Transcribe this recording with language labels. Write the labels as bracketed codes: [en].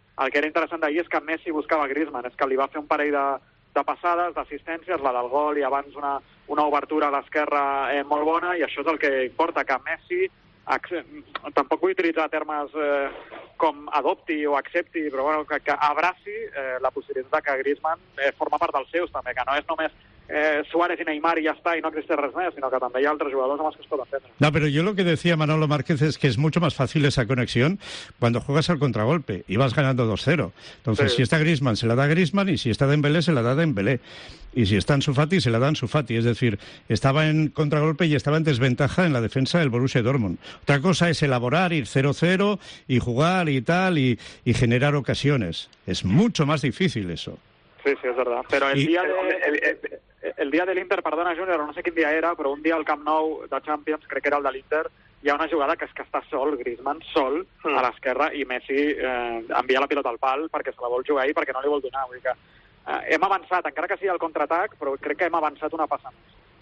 [ca] El que era interessant d'ahir és que Messi buscava Griezmann, és que li va fer un parell de passades, d'assistències, la del gol i abans una obertura a l'esquerra molt bona, i això és el que importa, que Messi, tampoc vull utilitzar termes com adopti o accepti, però bueno, que abraci la possibilitat que Griezmann forma part dels seus també, que no és només [es] Suárez y Neymar y ya está, y no existe [ca] res més, [es] sino que también hay otros jugadores más que esto, etcétera. No, pero yo lo que decía Manolo Márquez es que es mucho más fácil esa conexión cuando juegas al contragolpe y vas ganando 2-0. Entonces, sí. Si está Griezmann, se la da Griezmann, y si está Dembélé, se la da Dembélé. Y si está Ansu Fati, se la da Ansu Fati. Es decir, estaba en contragolpe y estaba en desventaja en la defensa del Borussia Dortmund. Otra cosa es elaborar, ir 0-0 y jugar y tal, y generar ocasiones. Es mucho más difícil eso. Sí, sí, es verdad. Pero el día del Inter, [ca] perdona, Junior, no sé quin dia era, però un dia al Camp Nou de Champions, crec que era el de l'Inter, hi ha una jugada que és que està sol, Griezmann, sol, a l'esquerra, i Messi envia la pilota al pal perquè se la vol jugar i perquè no li vol donar. Vull dir que hem avançat, encara que sigui el contraatac, però crec que hem avançat una passa més.